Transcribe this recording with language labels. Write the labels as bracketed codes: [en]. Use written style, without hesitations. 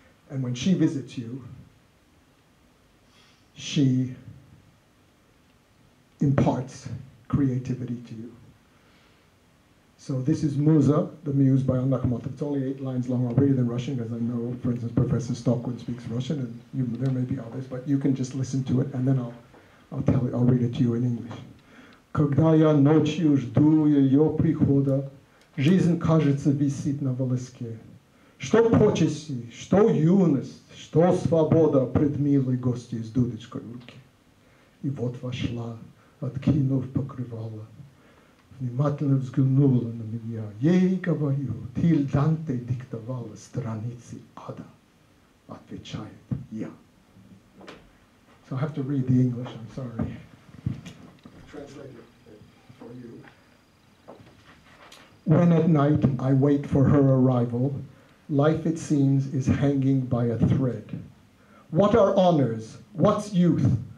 [en] And when she visits you, she imparts creativity to you. So this is Musa, the Muse by Anna Akhmatova. It's only 8 lines long. I'll read it in Russian, as I know, for instance, Professor Stockwood speaks Russian, and there may be others, but you can just listen to it, and then I'll read it to you in English. [ru] Когда я ночью жду ее прихода, жизнь кажется висит на волоске. Что почести, что юность, что свобода пред милой гостьей с дудочкой в руке. И вот вошла, откинув покрывало, внимательно взглянула на меня. Ей говорю, ты Данте диктовала страницы ада. Отвечает я. [en] So I have to read the English, I'm sorry. Translate it for you. When at night I wait for her arrival, life it seems is hanging by a thread. What are honors? What's youth?